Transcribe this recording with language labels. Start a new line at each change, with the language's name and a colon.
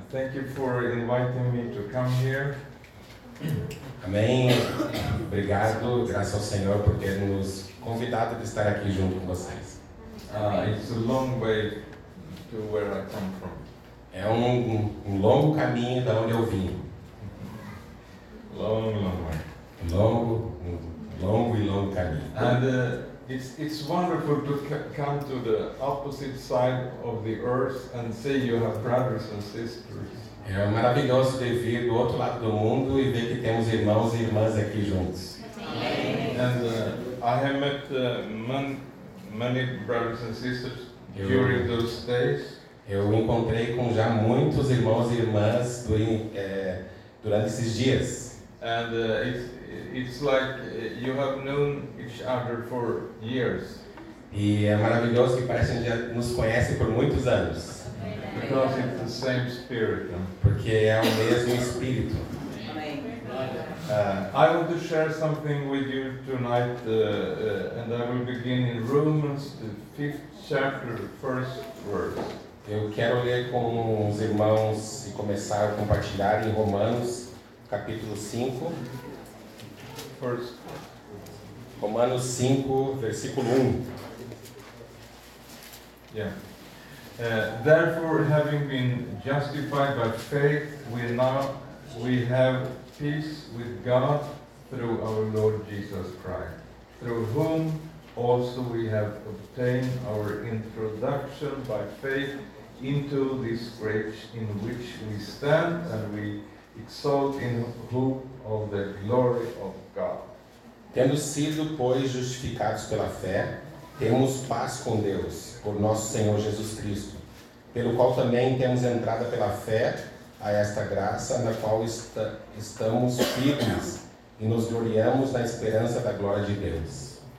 English: Thank you for inviting me to come here.
Portuguese: Amém. Obrigado. Graças ao Senhor por ter nos convidado de estar aqui junto com vocês.
English: It's a long way to where I come from.
Portuguese: É um longo caminho da onde eu vim.
English: Long, long way.
Portuguese: Longo caminho.
English: And it's wonderful to come to the opposite side of the earth and see you have brothers and sisters.
Portuguese: É maravilhoso de vir do outro lado do mundo e ver que temos irmãos e irmãs aqui juntos.
English: And I have met many brothers and sisters during those days.
Portuguese: Eu encontrei com já muitos irmãos e irmãs durante esses dias.
English: And it's like you have known each other for years.
Portuguese: E é maravilhoso que parece que a gente já nos conhece por muitos anos.
English: Because it's the same spirit.
Portuguese: Porque é o mesmo espírito.
English: I want to share something with you tonight, and I will begin in Romans, the 5th chapter, the 1st verse.
Portuguese: Eu quero ler com os irmãos e começar a compartilhar em Romanos, capítulo 5. Romanos 5, versículo 1. Yeah.
English: Therefore, having been justified by faith, we have peace with God through our Lord Jesus Christ, through whom also we have obtained our introduction by faith into this grace in which we stand, and we exult in hope of the glory of God.
Portuguese: Tendo sido, pois, justificados pela fé, temos paz com Deus, por nosso Senhor Jesus Cristo, pelo qual também temos entrada pela fé a esta graça na qual estamos firmes e nos gloriamos na esperança da glória de Deus.